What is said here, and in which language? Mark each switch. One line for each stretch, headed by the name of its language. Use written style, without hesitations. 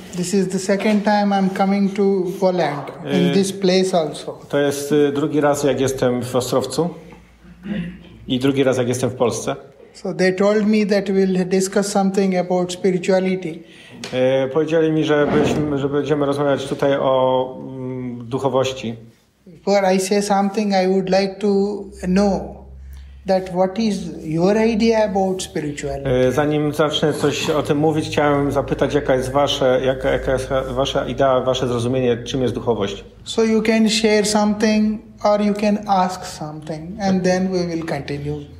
English: This is the second time I'm coming to Poland, in this place also.
Polish: To jest drugi raz, jak jestem w Ostrowcu i drugi raz, jak jestem w Polsce.
English: So they told me that we'll discuss something about spirituality.
Polish: Powiedzieli mi, że będziemy rozmawiać tutaj o duchowości.
English: Before I say something, I would like to know that what is your idea about spirituality.
Polish: Zanim zacznę coś o tym mówić, chciałem zapytać, jaka jest wasza idea, wasze zrozumienie, czym jest duchowość.
English: So you can share something or you can ask something and then we will continue.